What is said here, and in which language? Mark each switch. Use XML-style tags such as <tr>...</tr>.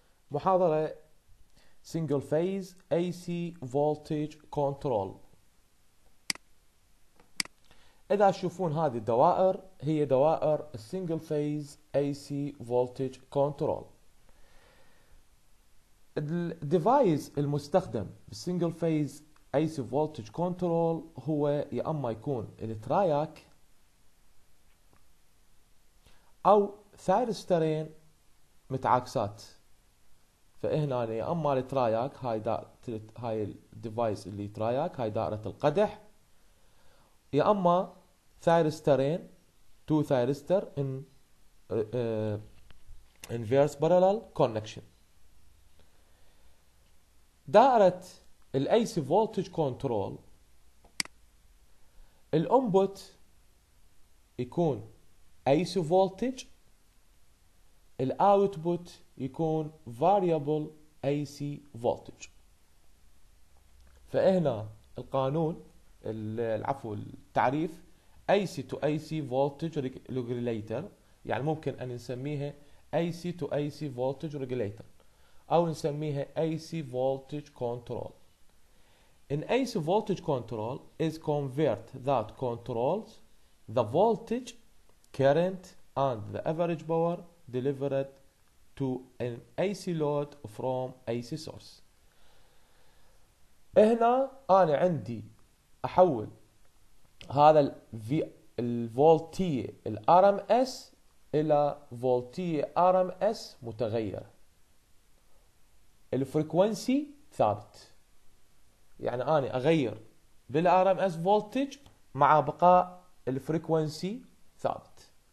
<ar>محاضرة single phase AC voltage control. إذا تشوفون هذه الدوائر هي دوائر single phase AC voltage control. الديفايس المستخدم بالsingle phase AC voltage control هو يا أما يكون الترياك أو ثايرسترين متعاكسات. فهنا يا أما الترياك هاي الديفايس اللي ترياك هاي دائرة القدح، يا أما ثايرسترين تو ثايرستر إن</ar> <en>inverse parallel connection.</en> <ar>دائرة الـ AC voltage control الـ input يكون AC voltage، الـ output يكون variable AC voltage. فهنا القانون العفو التعريف AC to AC voltage regulator، يعني ممكن أن نسميها AC to AC voltage regulator أو نسميها AC voltage control.</ar> <en>In AC voltage control is convert that controls the voltage, current and the average power delivered to an AC load from AC source.</en> <ar>هنا أنا عندي أحول هذا الفولتية الـ RMS إلى فولتية RMS متغير. الفريكوانسي ثابت، يعني أنا أغير بالـ RMS فولتج مع بقاء الفريكوانسي ثابت.</ar>